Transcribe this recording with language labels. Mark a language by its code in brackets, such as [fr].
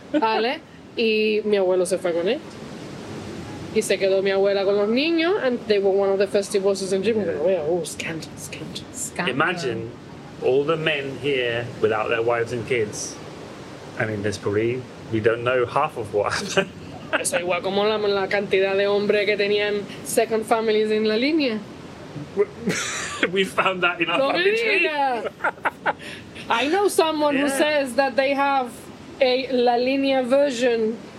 [es] Vale. Y mi abuelo se fue con él. Y se quedó mi abuela con los niños, [en] and they were one of the first divorces in Jimmy. Yeah. Oh, scandal. Imagine all the men here without their wives and kids. I mean, there's probably... We don't know half of what happened. [es] Eso igual como la cantidad de hombres que tenían [en] second families [es] en la línea. [en] We found that in our family tree. I know someone who says that they have a La Línea version.